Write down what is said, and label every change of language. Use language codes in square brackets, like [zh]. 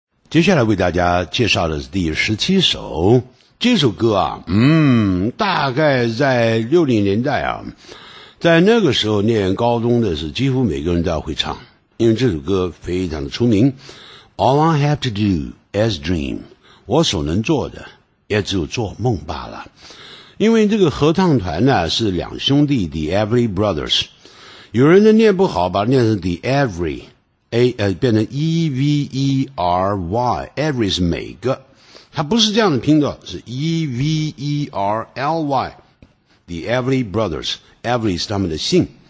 [zh] 接下来为大家介绍的是第17首，这首歌啊，大概在60年代啊，在那个时候念高中的是几乎每个人都要会唱，因为这首歌非常的出名。 [en] All I have to do is dream， [zh] 我所能做的也只有做梦罢了。因为这个合唱团呢是两兄弟 The Avery Brothers， 有人呢念不好把它念成 The Avery变成 E-V-E-R-Y， Avery 是每个，它不是这样的拼的，是 E-V-E-R-L-Y， The Avery Brothers， Avery 是他们的姓，